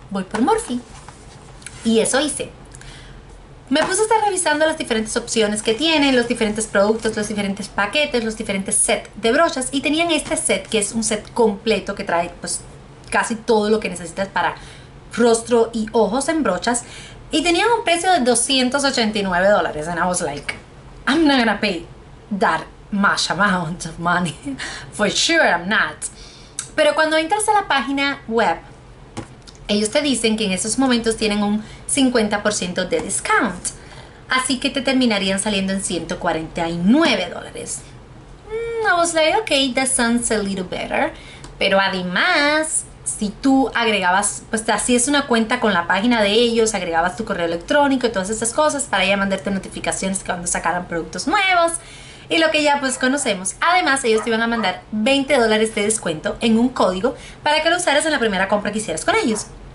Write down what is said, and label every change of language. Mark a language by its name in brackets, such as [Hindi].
[Spanish] Voy por Morphe. Y eso hice. Me puse a estar revisando las diferentes opciones que tienen, los diferentes productos, los diferentes paquetes, los diferentes sets de brochas, y tenían este set, que es un set completo que trae pues casi todo lo que necesitas para rostro y ojos en brochas, y tenían un precio de $289, [English] and I was like, I'm not gonna pay that much amount of money, for sure I'm not. [Spanish] Pero cuando entras a la página web, ellos te dicen que en esos momentos tienen un 50% de discount, así que te terminarían saliendo en $149. [English] I was like, okay, that sounds a little better. [Spanish] Pero además, si tú agregabas, pues te hacías una cuenta con la página de ellos, agregabas tu correo electrónico y todas esas cosas para ya mandarte notificaciones que cuando sacaran productos nuevos y lo que ya pues conocemos. Además, ellos te iban a mandar $20 de descuento en un código para que lo usaras en la primera compra que hicieras con ellos.